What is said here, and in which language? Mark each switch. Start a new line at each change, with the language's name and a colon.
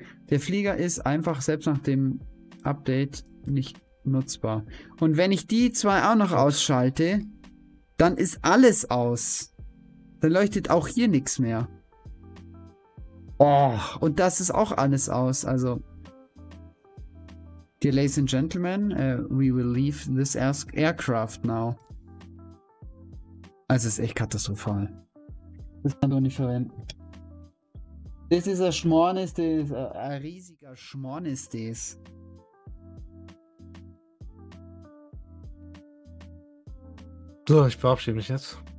German: Der Flieger ist einfach selbst nach dem Update nicht nutzbar. Und wenn ich die zwei auch noch ausschalte, dann ist alles aus. Dann leuchtet auch hier nichts mehr. Oh, und das ist auch alles aus. Also...
English: Dear ladies and gentlemen, we will leave this aircraft now.
German: Also ist echt katastrophal. Das kann doch nicht verwenden. Das ist ein Schmornis, ein riesiger Schmornis, das. So, ich verabschiede mich jetzt.